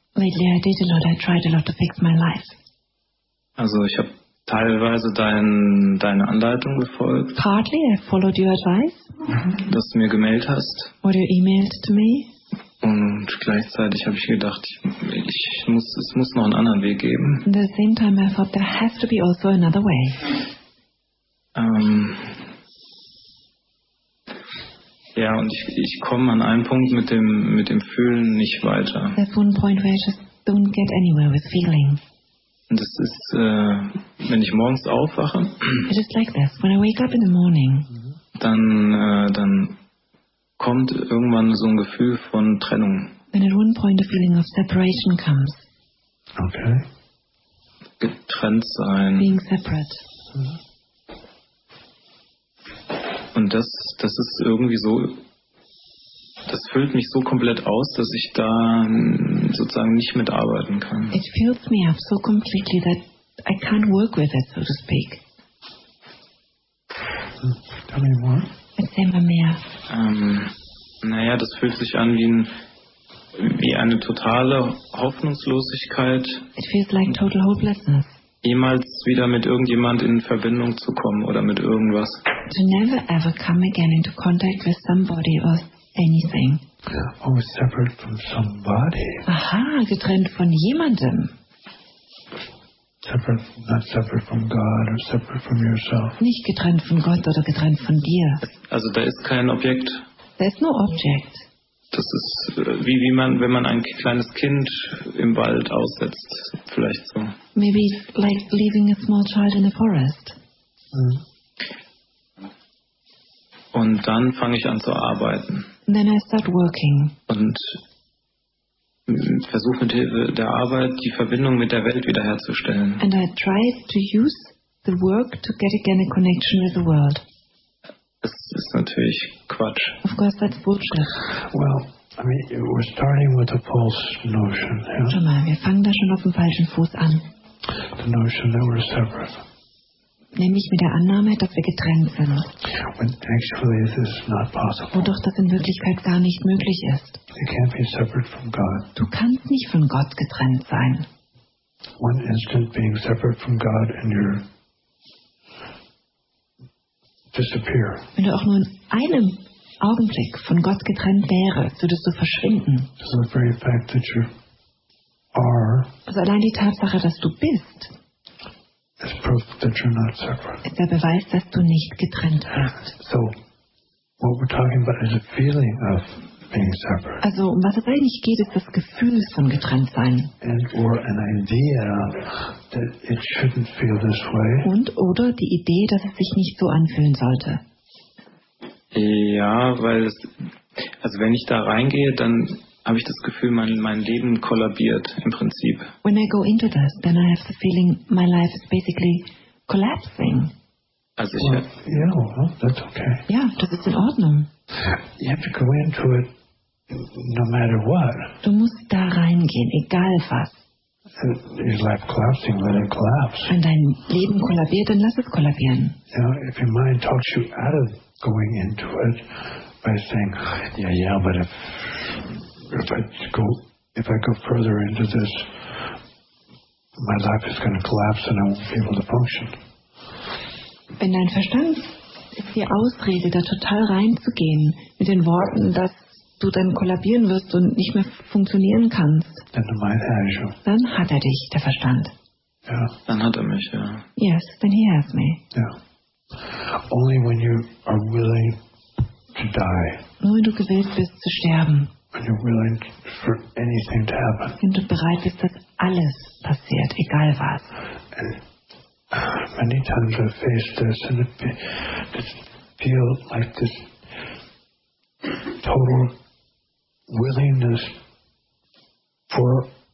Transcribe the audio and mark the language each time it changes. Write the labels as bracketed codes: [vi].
[en] Lately I did a lot, I tried a lot to fix my life. [de] Also ich habe teilweise deine Anleitung gefolgt. [en] Partly I followed your advice. [de] Dass du mir gemailt hast. [en] What you emailed to me. [de] Und gleichzeitig habe ich gedacht, es muss noch einen anderen Weg geben. [en] At the same time I thought there has to be also another way. [de] Ja, und ich komme an einem Punkt mit dem Fühlen nicht weiter. [en] That's one point where I just don't get anywhere with feeling. [de] Und das ist, wenn ich morgens aufwache. [en] It is like this. When I wake up in the morning. [de] Dann kommt irgendwann so ein Gefühl von Trennung. [en] And at one point a feeling of separation comes. Okay. [de] Getrennt sein. [en] Being separate. [de] Und das ist irgendwie so, das füllt mich so komplett aus, dass ich da sozusagen nicht mitarbeiten kann. [en] It fills me up so completely that I can't work with it, so to speak. Tell me more. [de] Erzähl mal mehr. Naja, das fühlt sich an wie eine totale Hoffnungslosigkeit. [en] It feels like total hopelessness. [de] Jemals wieder mit irgendjemand in Verbindung zu kommen oder mit irgendwas. [en] To never ever come again into contact with somebody or anything. Oh, separate from somebody. [de] Aha, getrennt von jemandem. [en] Separate, not separate from God or separate from yourself. [de] Nicht getrennt von Gott oder getrennt von dir. Also da ist kein Objekt. [en] There's no object. [de] Das ist wie man, wenn man ein kleines Kind im Wald aussetzt, vielleicht so. [en] Maybe it's like leaving a small child in a forest. [de] Und dann fange ich an zu arbeiten. [en] And then I start working. [de] Und versuche mit Hilfe der Arbeit die Verbindung mit der Welt wiederherzustellen. [en] And I try to use the work to get again a connection with the world. [de] Das ist natürlich Quatsch. [en] Of course, that's bullshit. Well, I mean, we're starting with a false notion. Yeah? [de] Schau mal, wir fangen da schon auf dem falschen Fuß an. [en] The notion that we're separate. [de] Nämlich mit der Annahme, dass wir getrennt sind. [en] When actually this is not possible. [de] Wodurch das in Wirklichkeit gar nicht möglich ist. [en] You can't be separate from God. [de] Du kannst nicht von Gott getrennt sein. [en] One instant being separate from God and you're disappear. [de] Wenn du auch nur in einem Augenblick von Gott getrennt wäre, würdest du verschwinden. [en] So the very fact that you are, [de] also allein die Tatsache, dass du bist, [en] is proof that you're not separate. [de] Ist der Beweis, dass du nicht getrennt bist. [en] So, what we're talking about is a feeling of being separate. [de] Also um was es eigentlich geht, ist das Gefühl von getrennt sein. [en] And or an idea that it shouldn't feel this way. [de] Und oder die Idee, dass es sich nicht so anfühlen sollte. Ja, weil es, also wenn ich da reingehe, dann habe ich das Gefühl, mein Leben kollabiert im Prinzip. [en] When I go into this, then I have the feeling my life is basically collapsing. [de] Also ich [en] That's okay. [de] Ja, yeah, das ist in Ordnung. [en] You have to go into it no matter what. [de] Du musst da reingehen, egal was. [en] Is life collapsing, let it collapse. [de] Wenn dein Leben kollabiert, dann lass es kollabieren. [en] You know, if your mind talks you out of going into it by saying, yeah, but if I go further into this, my life is going to collapse and I won't be able to function. [de] Wenn dein Verstand ist die Ausrede, da total reinzugehen mit den Worten, dass du dann kollabieren wirst und nicht mehr funktionieren kannst, dann hat er dich, der Verstand. Ja. Dann hat er mich, ja. [en] Yes, then he has me. Ja. Only when you are willing to die. [de] Nur wenn du gewillt bist zu sterben. [en] When you're willing for anything to happen. [de] Wenn du bereit bist, dass alles passiert, egal was. [en] And many times I've faced this and it feels like this total willingness for